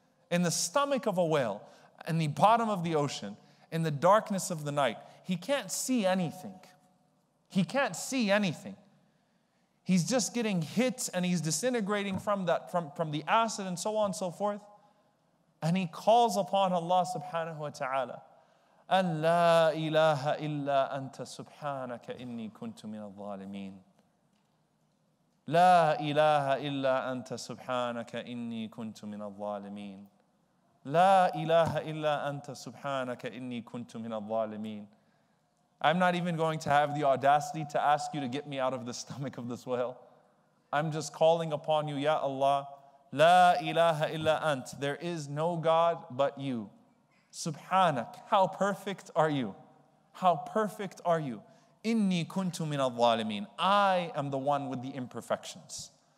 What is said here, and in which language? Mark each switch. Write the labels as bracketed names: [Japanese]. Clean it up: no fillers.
[English] In the stomach of a whale, in the bottom of the ocean, in the darkness of the night, he can't see anything. He can't see anything. He's just getting hit and he's disintegrating from that, from the acid and so on and so forth. And he calls upon Allah subhanahu wa ta'ala. [Arabic] أَنْ لَا إِلَهَ إِلَّا أَنْتَ سُبْحَانَكَ إِنِّي كُنْتُ مِنَ الظَّالِمِينَ لَا إِلَهَ إِلَّا أَنْتَ سُبْحَانَكَ إِنِّي كُنْتُ مِنَ الظَّالِمِينَ لَا إِلَهَ إِلَّا أَنْتَ سُبْحَانَكَ إِنِّي كُنْتُ مِنَ الظَّالِمِينَ [English] I'm not even going to have the audacity to ask you to get me out of the stomach of this whale. I'm just calling upon you, Ya Allah. [Arabic] لَا إِلَهَ إِلَّا أَنْتَ [English] There is no God but you. Subhanak, how perfect are you? How perfect are you? [Arabic] Inni kuntu min al-zalimin. [English] I am the one with the imperfections.